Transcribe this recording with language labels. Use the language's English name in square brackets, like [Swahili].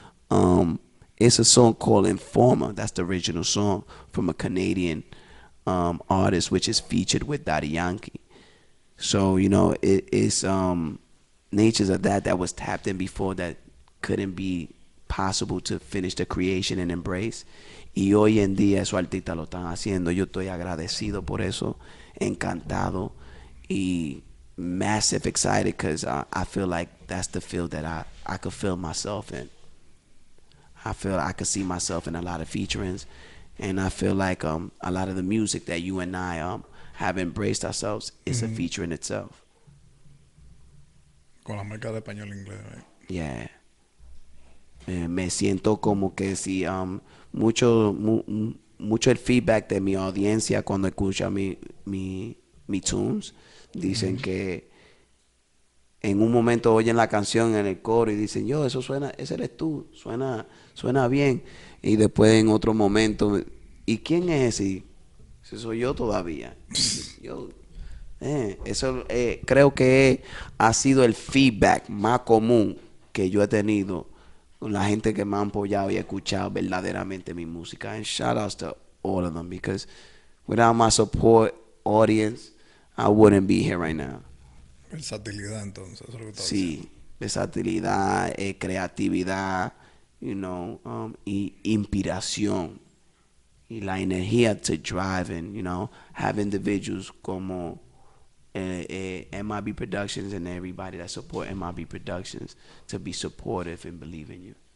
[English] It's a song called Informer. That's the original song from a Canadian artist, which is featured with Daddy Yankee. So, it's natures of that was tapped in before that couldn't be possible to finish the creation and embrace. [Spanish] Y hoy en día esos artistas lo están haciendo. Yo estoy agradecido por eso, encantado y [English] massive excited because I feel like that's the field that I could feel myself in. I feel I could see myself in a lot of featurings, and I feel like a lot of the music that you and I have embraced ourselves is a feature in itself. [Spanish] Con la marca de español inglés, [English] right? Yeah. [Spanish] Me siento como que si mucho mu mucho el feedback de mi audiencia cuando escucha mi tunes dicen que en un momento oyen la canción en el coro y dicen, yo, eso suena, ese eres tú, suena bien. Y después en otro momento, ¿y quién es ese? Y ese soy yo todavía. Yo, eso creo que ha sido el feedback más común que yo he tenido con la gente que me ha apoyado y escuchado verdaderamente mi música. [English] And shout outs to all of them, because without my support audience, I wouldn't be here right now. [Spanish] Versatilidad, entonces, eso es lo que estaba diciendo. Sí, versatilidad, creatividad, y inspiración y la energía [English] to driving, have individuals [Spanish] como [English] MIB Productions and everybody that support MIB Productions to be supportive and believe in you.